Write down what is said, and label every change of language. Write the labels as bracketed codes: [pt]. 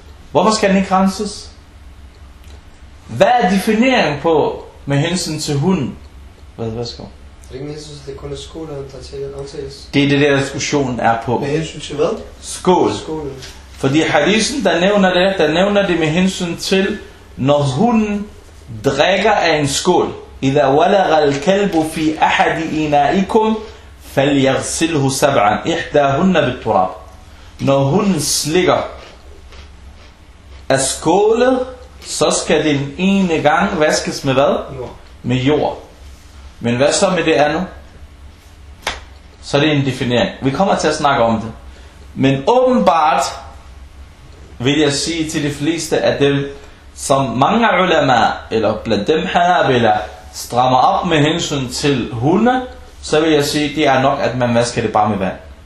[da] Hvorfor skal den ikke renses? Hvad er defineringen på med hensyn til hunden? Hvad skal man? Det er ikke med hensyn til, at det kun er skålen, der til at aftales. Det er det der diskussionen er på. Med hensyn til hvad? Skål. Skålen. Fordi hadisen, der nævner det med hensyn til, når hunden drikker af en skål. [ar] إذا ولغ الكلب في أحد إنائكم فليغسله سبعا إحداهن بالتراب. [da] Når hun slikker af skålet, så skal den ene gang vaskes med hvad? Med jord. Men hvad så med det andet? Så er det en definering. Vi kommer til at snakke om det. Men åbenbart vil jeg sige til de fleste af dem, som mange ulema, eller blandt dem hanabila, strammer op med hensyn til hunde, så vil jeg sige, det er nok, at man vasker det bare med vand.